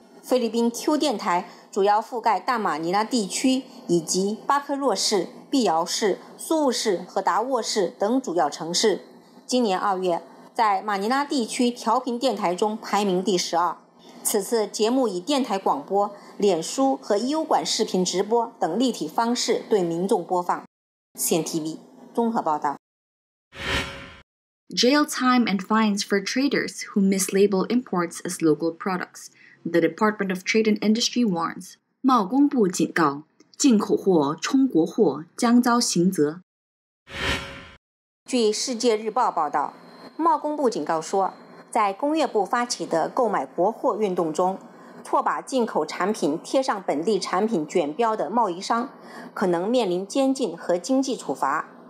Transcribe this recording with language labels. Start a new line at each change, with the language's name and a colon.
Chinese: 菲律宾 Q 电台主要覆盖大马尼拉地区以及巴克洛市、碧瑶市、苏雾市和达沃市等主要城市。今年2月，在马尼拉地区调频电台中排名第12。此次节目以电台广播、脸书和 U 管视频直播等立体方式对民众播放。 CNTV 综合报道。
English: Jail time and fines for traders who mislabel imports as local products. The Department of Trade and Industry warns.
Chinese: 贸工部警告，进口货、冲国货将遭刑责。据《世界日报》报道，贸工部警告说，在工业部发起的购买国货运动中，错把进口产品贴上本地产品卷标的贸易商，可能面临监禁和经济处罚。